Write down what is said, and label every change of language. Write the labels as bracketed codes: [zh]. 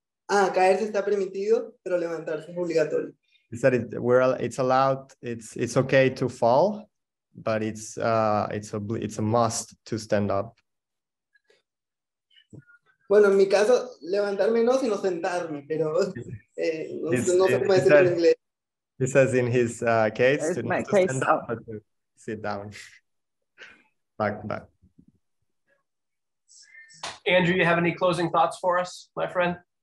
[es] Ah, caerse está permitido, pero levantarse es obligatorio. [en] He said it's allowed. It's okay to fall, but it's a must to stand up. [es] Bueno, en mi caso, levantarme no, sino sentarme, pero no sé cómo decirlo en inglés. [en] He says in his case, to not to stand up, but to sit down. Back. Andrew, you have any closing thoughts for us, my friend?